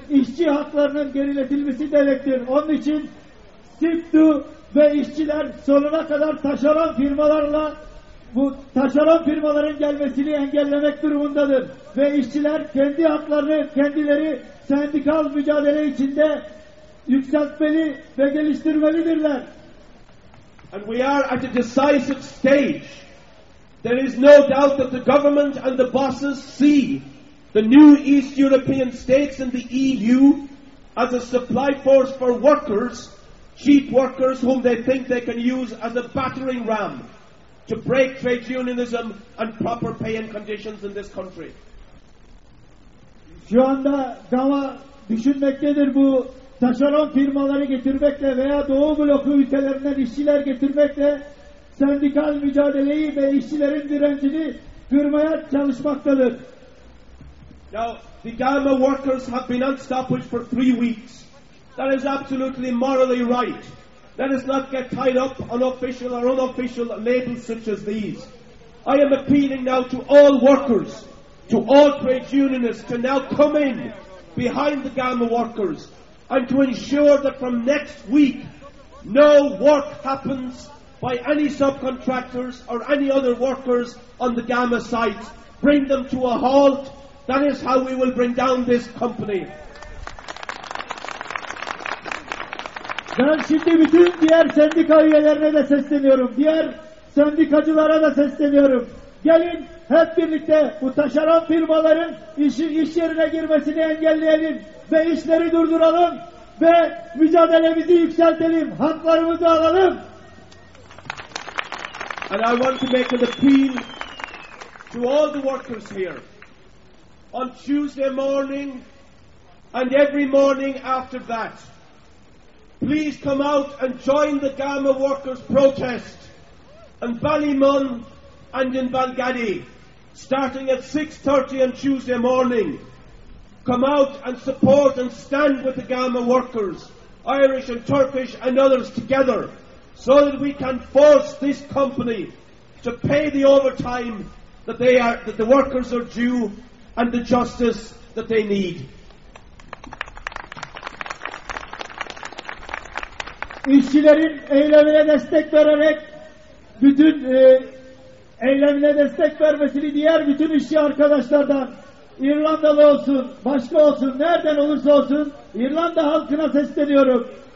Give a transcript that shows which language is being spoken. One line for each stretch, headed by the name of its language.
Turkish: İşçi haklarının geriletilmesi demektir. Onun için SIPTU ve işçiler sonuna kadar taşeron firmalarla bu taşeron firmaların gelmesini engellemek durumundadır. Ve işçiler kendi haklarını kendileri sendikal mücadele içinde yükseltmeli ve geliştirmelidirler.
English: And we are at a decisive stage. There is no doubt that the government and the bosses see the new East European states and the EU as a supply force for workers, cheap workers whom they think they can use as a battering ram to break trade unionism and proper pay and conditions in this country.
Turkish: Şu anda gava düşünmektedir bu taşeron firmaları getirmekle veya Doğu bloku ülkelerinden işçiler getirmekle sendikal mücadeleyi ve işçilerin direncini kırmaya çalışmaktadır.
English: Now, the Gama workers have been on stoppage for 3 weeks. That is absolutely morally right. Let us not get tied up on official or unofficial labels such as these. I am appealing now to all workers, to all trade unionists, to now come in behind the Gama workers and to ensure that from next week no work happens by any subcontractors or any other workers on the Gama sites. Bring them to a halt. That is how we will bring down this company.
Turkish: Ben şimdi bütün diğer sendika üyelerine de sesleniyorum. Diğer sendikacılara da sesleniyorum. Gelin hep birlikte bu taşeron firmaların iş yerine girmesini engelleyelim ve işleri durduralım ve mücadelemizi yükseltelim. Haklarımızı alalım.
English: And I want to make an appeal to all the workers here. On Tuesday morning and every morning after that, please come out and join the Gama workers' protest in Ballymun and in Balgaddy, starting at 6:30 on Tuesday morning. Come out and support and stand with the Gama workers, Irish and Turkish and others together, so that we can force this company to pay the overtime that the workers are due and the justice that they need.
Turkish: İşçilerin eylemine destek vererek bütün eylemine destek vermesini diğer bütün işçi arkadaşlardan İrlandalı olsun, başka olsun, nereden olursa olsun İrlanda halkına sesleniyorum.